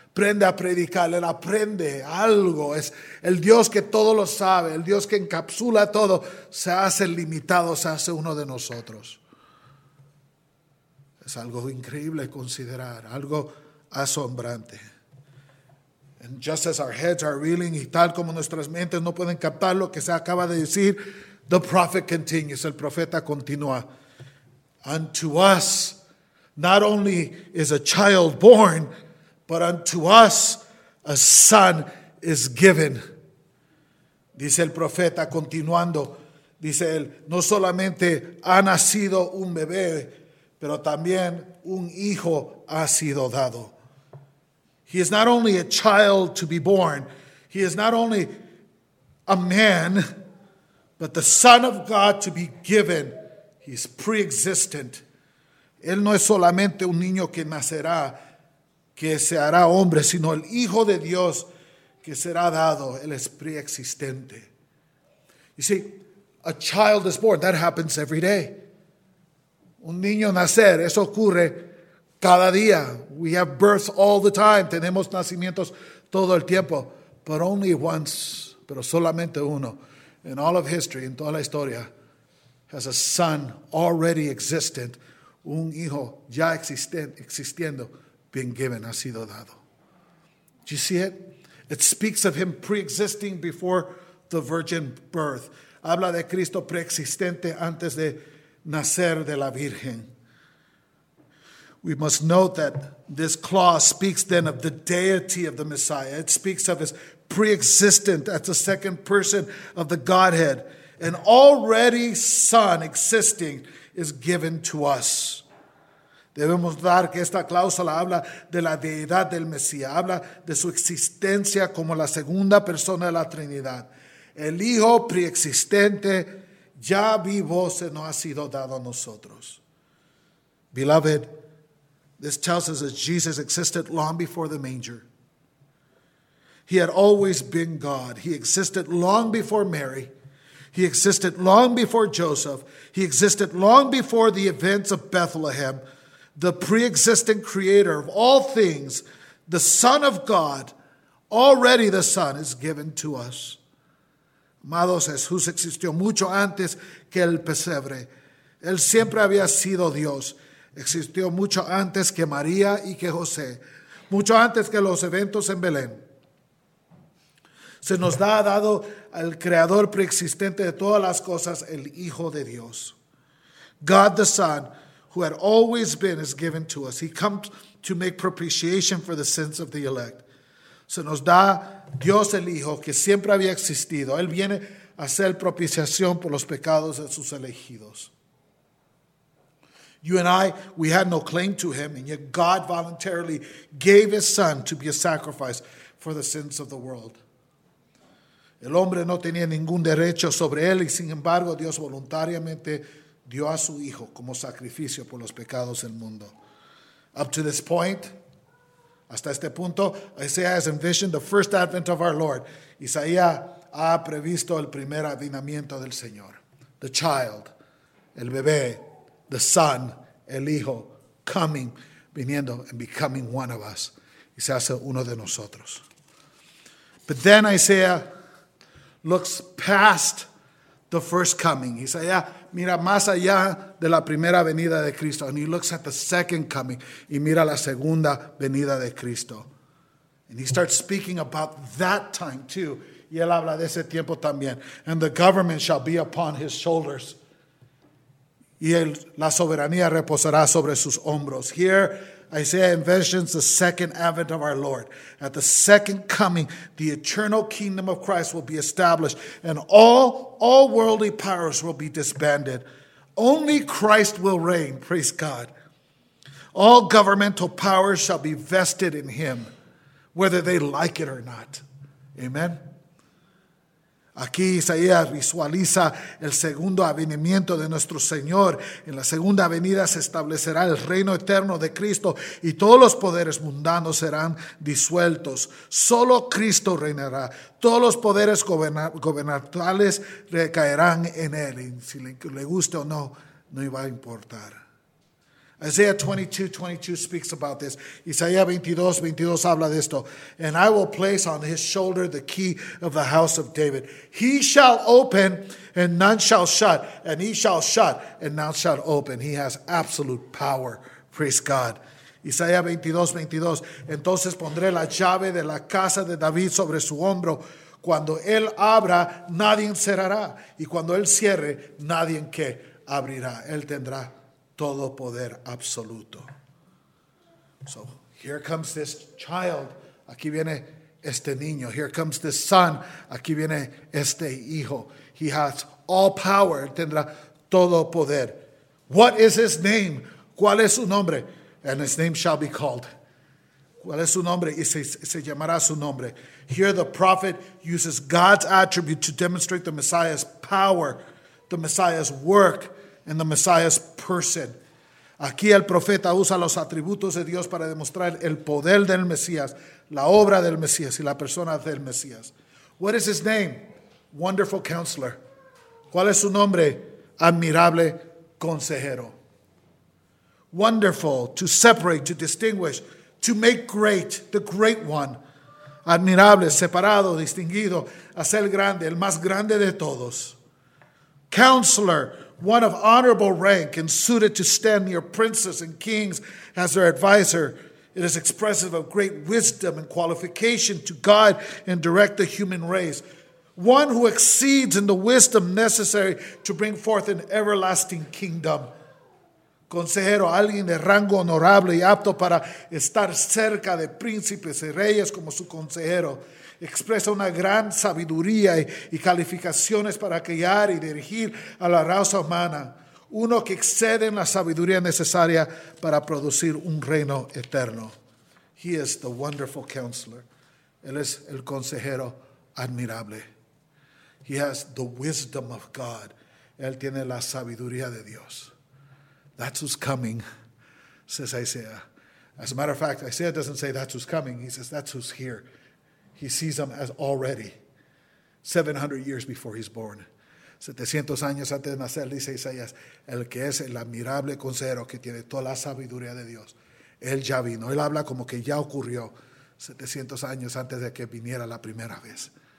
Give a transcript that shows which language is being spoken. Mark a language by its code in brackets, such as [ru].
[es] Aprende a predicar, él aprende algo. Es el Dios que todo lo sabe, el Dios que encapsula todo, se hace limitado, se hace uno de nosotros. Es algo increíble considerar, algo asombrante. [en] And just as our heads are reeling, [es] y tal como nuestras mentes no pueden captar lo que se acaba de decir, [en] the prophet continues, [es] el profeta continúa. [en] Unto us, not only is a child born, but unto us a son is given. [es] Dice el profeta continuando. Dice él, no solamente ha nacido un bebé, pero también un hijo ha sido dado. [en] He is not only a child to be born. He is not only a man, but the son of God to be given. He is pre-existent. [es] Él no es solamente un niño que nacerá, que se hará hombre, sino el Hijo de Dios que será dado, él es preexistente. [en] You see, a child is born, that happens every day. [es] Un niño nacer, eso ocurre cada día. [en] We have births all the time, [es] tenemos nacimientos todo el tiempo, [en] but only once, [es] pero solamente uno, [en] in all of history, [es] en toda la historia, [en] has a son already existent, [es] un hijo ya existiendo, [en] been given, [es] ha sido dado. [en] Do you see it? It speaks of him pre-existing before the virgin birth. [es] Habla de Cristo preexistente antes de nacer de la Virgen. [en] We must note that this clause speaks then of the deity of the Messiah. It speaks of his pre-existent as the second person of the Godhead. An already son existing is given to us. [es] Debemos dar que esta cláusula habla de la deidad del Mesías, habla de su existencia como la segunda persona de la Trinidad. El Hijo preexistente, ya vivo, se nos ha sido dado a nosotros. [en] Beloved, this tells us that Jesus existed long before the manger. He had always been God. He existed long before Mary. He existed long before Joseph. He existed long before the events of Bethlehem. The pre-existent creator of all things, the Son of God, already the Son is given to us. [es] Amados, Jesús existió mucho antes que el pesebre. Él siempre había sido Dios. Existió mucho antes que María y que José. Mucho antes que los eventos en Belén. Se nos ha dado al creador preexistente de todas las cosas, el Hijo de Dios. [en] God the Son, who had always been, is given to us. He comes to make propitiation for the sins of the elect. [es] Se nos da Dios el Hijo, que siempre había existido. Él viene a hacer propiciación por los pecados de sus elegidos. [en] You and I, we had no claim to him, and yet God voluntarily gave his son to be a sacrifice for the sins of the world. [es] El hombre no tenía ningún derecho sobre él, y sin embargo Dios voluntariamente dio a su hijo como sacrificio por los pecados del mundo. [en] Up to this point, [es] hasta este punto, [en] Isaiah has envisioned the first advent of our Lord. [es] Isaías ha previsto el primer avivamiento del Señor. [en] The child, [es] el bebé, [en] the son, [es] el hijo, [en] coming, [es] viniendo [en] and becoming one of us. [es] y se hace uno de nosotros. [en] But then Isaiah looks past the first coming. [es] Isaiah mira más allá de la primera venida de Cristo. [en] And he looks at the second coming. [es] Y mira la segunda venida de Cristo. [en] And he starts speaking about that time too. [es] Y él habla de ese tiempo también. [en] And the government shall be upon his shoulders. [es] Y él, la soberanía reposará sobre sus hombros. [en] Here, Isaiah envisions the second advent of our Lord. At the second coming, the eternal kingdom of Christ will be established, and all worldly powers will be disbanded. Only Christ will reign, praise God. All governmental powers shall be vested in him, whether they like it or not. Amen. [es] Aquí Isaías visualiza el segundo avenimiento de nuestro Señor. En la segunda venida se establecerá el reino eterno de Cristo y todos los poderes mundanos serán disueltos. Solo Cristo reinará. Todos los poderes gubernamentales recaerán en él. Y si le guste o no, no iba a importar. [en] Isaiah 22:22 speaks about this. [es] Isaiah 22:22 habla de esto. [en] And I will place on his shoulder the key of the house of David. He shall open and none shall shut. And he shall shut and none shall open. He has absolute power. Praise God. Isaiah 22:22. [es] Entonces pondré la llave de la casa de David sobre su hombro. Cuando él abra, nadie cerrará. Y cuando él cierre, nadie que abrirá. Él tendrá todo poder absoluto. [en] So here comes this child. [es] Aquí viene este niño. [en] Here comes this son. [es] Aquí viene este hijo. [en] He has all power. [es] Tendrá todo poder. [en] What is his name? [es] ¿Cuál es su nombre? [en] And his name shall be called. [es] ¿Cuál es su nombre? Y se llamará su nombre. [en] Here the prophet uses God's attribute to demonstrate the Messiah's power, the Messiah's work, and the Messiah's person. [es] Aquí el profeta usa los atributos de Dios para demostrar el poder del Mesías, la obra del Mesías y la persona del Mesías. [en] What is his name? Wonderful Counselor. [es] ¿Cuál es su nombre? Admirable Consejero. [en] Wonderful, to separate, to distinguish, to make great, the great one. [es] Admirable, separado, distinguido, hacer grande, el más grande de todos. [en] Counselor, one of honorable rank and suited to stand near princes and kings as their advisor. It is expressive of great wisdom and qualification to guide and direct the human race. One who exceeds in the wisdom necessary to bring forth an everlasting kingdom. [es] Consejero, alguien de rango honorable y apto para estar cerca de príncipes y reyes como su consejero. Expresa una gran sabiduría y calificaciones para guiar y dirigir a la raza humana. Uno que excede en la sabiduría necesaria para producir un reino eterno. [en] He is the wonderful counselor. [es] Él es el consejero admirable. [en] He has the wisdom of God. [es] Él tiene la sabiduría de Dios. [en] That's who's coming, says Isaiah. As a matter of fact, Isaiah doesn't say that's who's coming. He says that's who's here. He sees him as already 700 years before he's born. [es] 700 años antes de nacer, dice Isaías, el que es el admirable consejero que tiene toda la sabiduría de Dios. Él ya vino. Él habla como que ya ocurrió 700 años antes de que viniera la primera vez.